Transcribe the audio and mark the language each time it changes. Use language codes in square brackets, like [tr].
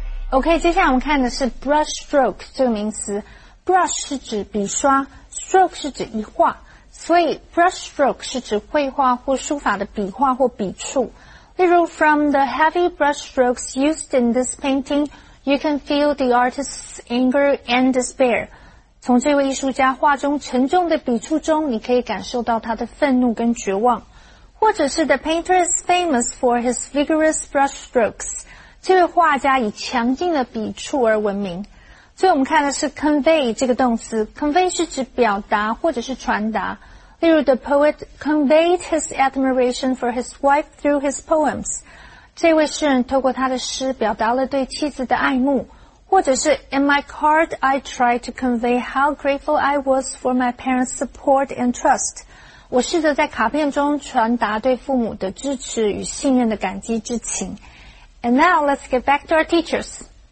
[zh] OK, 接下来我们看的是 brush stroke 这个名词。brush 是指笔刷 ,stroke 是指一画。所以 brush stroke 是指绘画或书法的笔画或笔触。例如 [en] ,from the heavy brush strokes used in this painting, you can feel the artist's anger and despair. [zh] 从这位艺术家画中沉重的笔触中你可以感受到他的愤怒跟绝望。或者是 [en] the painter is famous for his vigorous brush strokes. [zh] 这位画家以强劲的笔触而闻名。所以我们看的是 convey 这个动词。convey 是指表达或者是传达。例如 [en] the poet conveyed his admiration for his wife through his poems。 [zh] 这位诗人透过他的诗表达了对妻子的爱慕。或者是 [en] in my card I tried to convey how grateful I was for my parents' support and trust。 [zh] 我试着在卡片中传达对父母的支持与信任的感激之情。 [en] And now, let's get back to our teachers.